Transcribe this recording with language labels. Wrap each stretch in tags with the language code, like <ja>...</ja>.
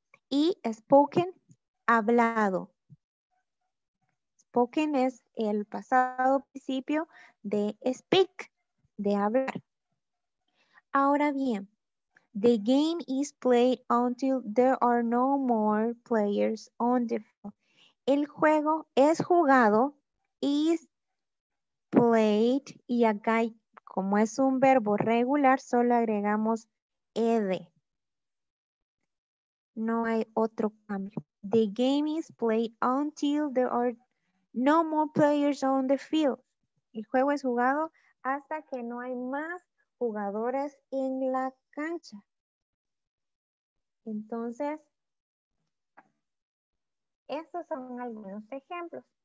<es>Y spoken, hablado. Spoken es el pasado principio de speak, de hablar. Ahora bien,</es> <en>the game is played until there are no more players on the field.</en> <es>El juego es jugado,</es> <en>is played,</en> <es>y acá, como es un verbo regular, solo agregamos ed. No hay otro cambio.</es> <en>The game is played until there are no more players on the field.</en> <es>El juego es jugado hasta que no hay más jugadores en la cancha. Entonces, estos son algunos ejemplos.</es>